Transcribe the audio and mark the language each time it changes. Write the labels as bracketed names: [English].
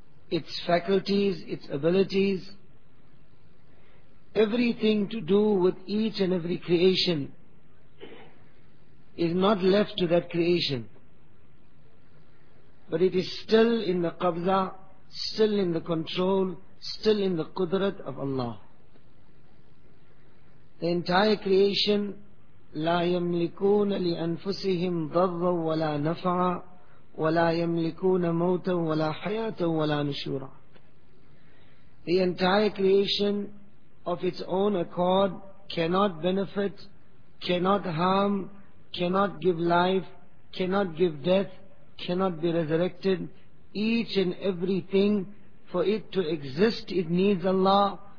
[English] its faculties, its abilities, everything to do with each and every creation is not left to that creation, but it is still in the qabza, still in the control, still in the qudrat of Allah. The entire creation, [Arabic] لا يملكون لأنفسهم ضرا ولا نفعا وَلَا يَمْلِكُونَ مَوْتًا وَلَا حَيَاةً وَلَا نُشُورًا. [English] The entire creation of its own accord cannot benefit, cannot harm, cannot give life, cannot give death, cannot be resurrected. Each and everything, for it to exist, it needs Allah.